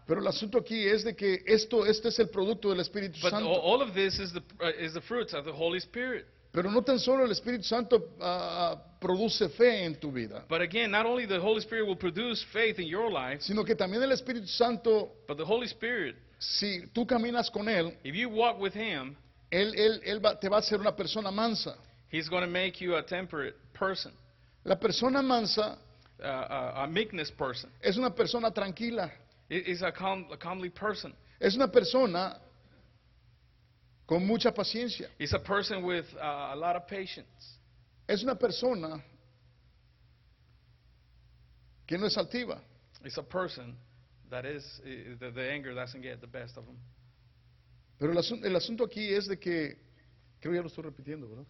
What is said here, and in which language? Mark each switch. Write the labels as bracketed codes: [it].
[es] Pero el asunto aquí es de que este es el producto del Espíritu [en] but [es] Santo. [en] But all of this is the fruits of the Holy Spirit. [es] Pero no tan solo el Espíritu Santo produce fe en tu vida. [en] But again, not only the Holy Spirit will produce faith in your life, [es] sino que también el Espíritu Santo, [en] but the Holy Spirit, [es] si tú caminas con él, [en] if you walk with him, [es] él te va a hacer una persona mansa. [en] He's going to make you a temperate person. [es] La persona mansa, [en] a meekness person, [es] es una persona tranquila. [en] Is a calmly person. [es] Es una persona con mucha paciencia. [en] It's a person with a lot of patience. [es] Es una persona que no es altiva. [en] It's a person that is the anger doesn't get the best of them. [es] Pero el asunto aquí es de que creo ya lo estoy repitiendo, ¿verdad?